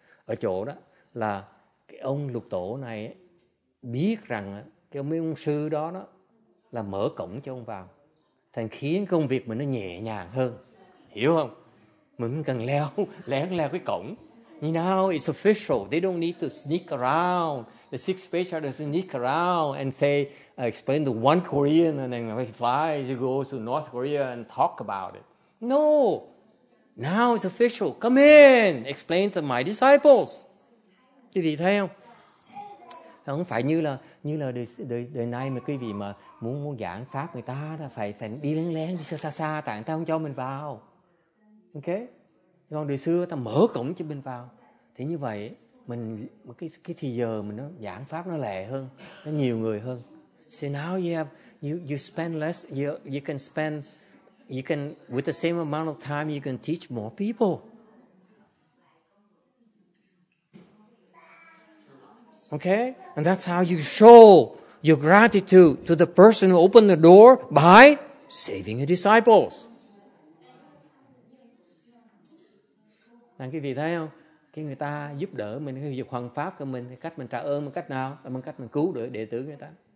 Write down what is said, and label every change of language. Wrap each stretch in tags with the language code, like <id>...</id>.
<vi>Ở chỗ đó là cái ông lục tổ này biết rằng cái ông sư đó là mở cổng cho ông vào. Thành khiến công việc mình nó nhẹ nhàng hơn. Hiểu không? Mình cần lén leo cái cổng.</vi> <en>You know, it's official. They don't need to sneak around. The six patriarch doesn't sneak around and say, explain to one Korean and then he flies, he goes to North Korea and talk about it. No. Now it's official. Come in. Explain to my disciples.</en> <vi>Quý vị thấy không? Không phải như là đời nay mà quý vị mà muốn giảng pháp người ta là phải đi lén đi xa tại người ta không cho mình vào. Okay? Còn đời xưa ta mở cổng cho mình vào. Thì như vậy, cái thì giờ mình nó giảng pháp nó lẹ hơn, nó nhiều người hơn.</vi> <en>So now you spend less, you can with the same amount of time, you can teach more people. Okay? And that's how you show your gratitude to the person who opened the door by saving the disciples.</en> <vi>Thằng quý vị thấy không? Khi người ta giúp đỡ mình, khi giúp hoằng pháp cho mình, cách mình trả ơn bằng cách nào? Bằng cách mình cứu được đệ tử người ta.</vi>